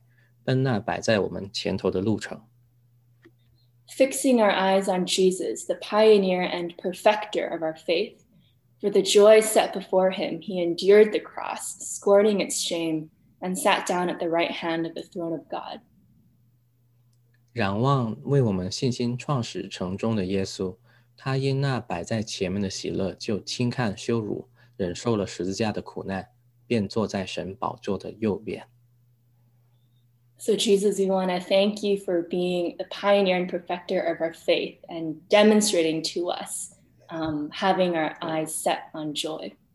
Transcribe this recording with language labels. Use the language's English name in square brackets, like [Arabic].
[Chinese] 我们既有这许多的见证人，如同云彩围着我们，就当放下各样的重担，脱去容易缠累我们的罪，存心忍耐，奔那摆在我们前头的路程。 [English] Fixing our eyes on Jesus, the pioneer and perfecter of our faith, for the joy set before him, he endured the cross, scorning its shame, and sat down at the right hand of the throne of God. [Chinese] 仰望为我们信心创始成终的耶稣，他因那摆在前面的喜乐，就轻看羞辱，忍受了十字架的苦难，便坐在神宝座的右边。 [English] So Jesus, we want to thank you for being the pioneer and perfecter of our faith and demonstrating to us having our eyes set on joy.